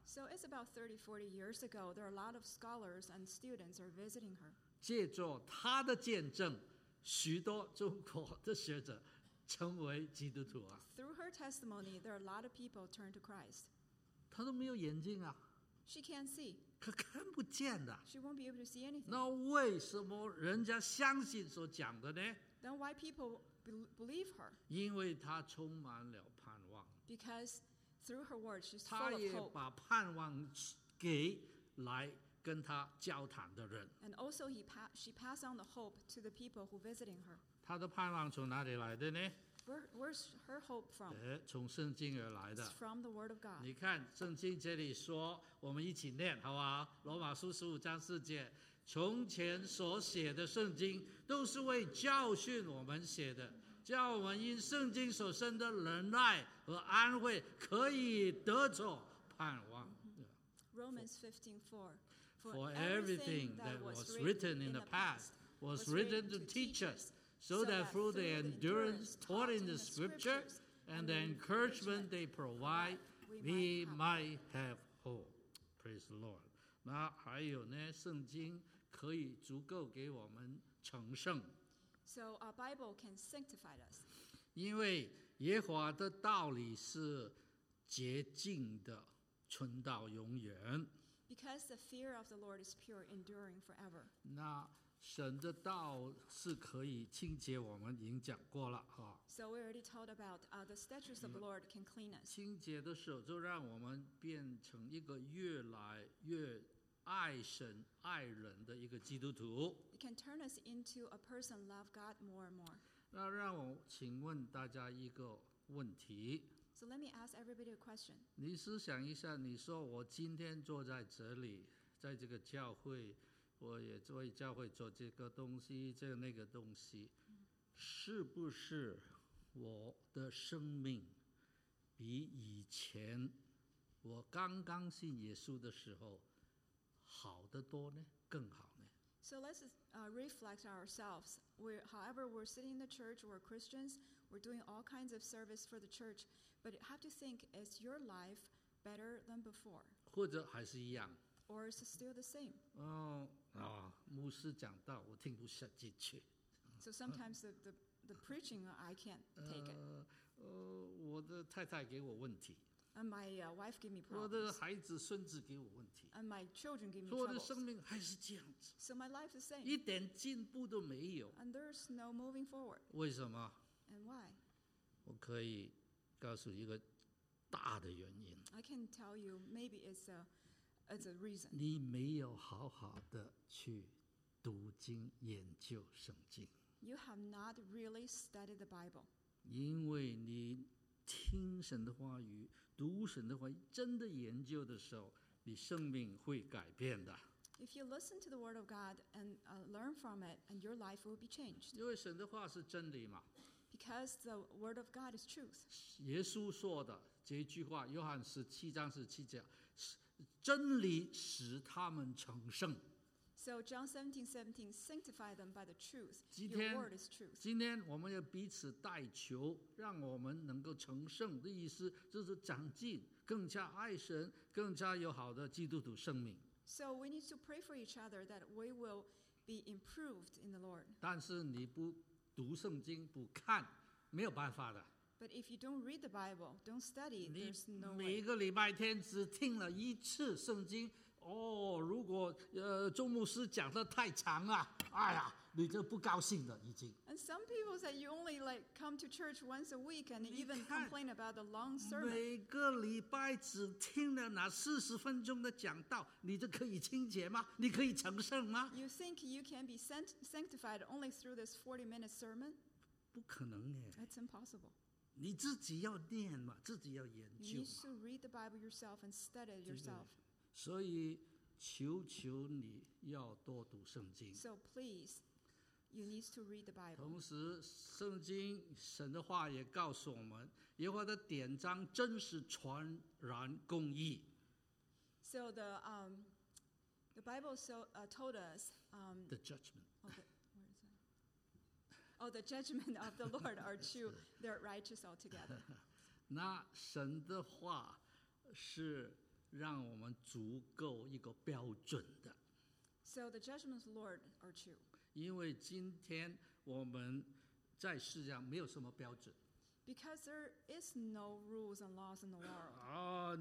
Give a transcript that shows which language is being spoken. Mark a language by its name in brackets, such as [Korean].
[English] So it's about 30-40 years ago, there are a lot of scholars and students are visiting her. [Chinese] 借助他的见证，许多中国的学者成为基督徒啊。 [English] Through her testimony, there are a lot of people turn to Christ. [Chinese] 他都没有眼睛啊。 [English] She can't see. [Chinese] 可看不见的。 [English] She won't be able to see anything. [Chinese] 那为什么人家相信所讲的呢？ [English] Then why people believe her? [Chinese] 因为她充满了盼望。 [English] Because through her words, she's full of hope. [Chinese] 她也把盼望给来跟她交谈的人。 [English] And also, she passed on the hope to the people who visiting her. [Chinese] 她的盼望从哪里来的呢？ [English] Where's her hope from? [Chinese] 从圣经而来的。 [English] It's from the word of God. [Chinese] 你看圣经这里说，我们一起念好不好？罗马书十五章四节。从前所写的圣经都是为教训我们写的，叫我们因圣经所生的忍耐和安慰可以得着盼望。 [English] Romans 15:4 For everything that was written in the past was written to teach us, so that through the endurance taught in the scripture and the encouragement they provide, we might have hope. Praise the Lord. [Chinese] 那还有呢，圣经可以足够给我们成圣。 [English] So our Bible can sanctify us. [Chinese] 因为耶和华的道理是洁净的，存到永远。 [English] Because the fear of the Lord is pure, enduring forever. [Chinese] 那神的道是可以清洁我们，已经讲过了。 [English] So we already told about the statutes of the Lord can clean us. [Chinese] 清洁的时候就让我们变成一个越来越爱神爱人的一个基督徒。 [English] It can turn us into a person love God more and more. [Chinese] 那让我请问大家一个问题。 [English] So let me ask everybody a question. [Chinese] 你思想一下，你说我今天坐在这里，在这个教会，我也为教会做这个东西，这个那个东西，是不是我的生命比以前我刚刚信耶稣的时候好得多呢？更好呢？ [English] So let's reflect ourselves. However, we're sitting in the church, we're Christians, we're doing all kinds of service for the church, but you have to think, is your life better than before? [Chinese] 或者还是一样？ [English] Or is it still the same? [Chinese] 牧师讲道我听不下进去。 [English] So sometimes the preaching I can't take it. [Chinese] 我的太太给我问题。 [English] And my wife gave me problems. [Chinese] 我的孩子孙子给我问题。 [English] And my children gave me troubles. [Chinese] 我的生命还是这样子。 [English] So my life is the same. [Chinese] 一点进步都没有。 [English] And there's no moving forward. [Chinese] 为什么？ [English] And why? [Chinese] 我可以告诉一个大的原因。 [English] I can tell you maybe it's a reason. [Chinese] 你没有好好的去读经研究圣经。 [English] You have not really studied the Bible. [Chinese] 因为你听神的话语，读神的话语，真的研究的时候，你生命会改变的。 [English] If you listen to the word of God and learn from it, and your life will be changed. [Chinese] 因为神的话是真理嘛。 [English] Because the word of God is truth. [Chinese] 耶稣说的这句话，约翰十七章十七节，真理使他们成圣。 [English] So John 17:17, sanctify them by the truth. Your word is truth. [Chinese] 今天我们要彼此代求，让我们能够成圣的意思就是长进，更加爱神，更加有好的基督徒生命。 [English] So we need to pray for each other that we will be improved in the Lord. [Chinese] 但是你不读圣经，不看，没有办法的。 [English] But if you don't read the Bible, don't study, there's no way. [Chinese] 你每个礼拜天只听了一次圣经。如果周牧师讲的太长了，哎呀，你就不高兴了已经。 [English] And some people say you only like come to church once a week and even complain about the long sermon. [Chinese] 每个礼拜只听了那四十分钟的讲道，你就可以清洁吗？你可以成圣吗？ [English] You think you can be sanctified only through this 40-minute sermon? [Chinese] 不可能耶。 [English] It's impossible. [Chinese] 你自己要念嘛，自己要研究嘛。 [English] You should read the Bible yourself and study it yourself. [Chinese] 对对，所以求求你要多读圣经。 [English] So please, you need to read the Bible. [Chinese] 同时圣经神的话也告诉我们，耶和华的典章真是全然公义。 [English] So the Bible told us the judgment. The judgment of the Lord are true, they're righteous altogether. [Chinese] 那神的话是让我们足够一个标准的。 [English] So the judgments of the Lord are true. [Chinese] 因为今天我们在世上没有什么标准。 [English] Because there is no rules and laws in the world.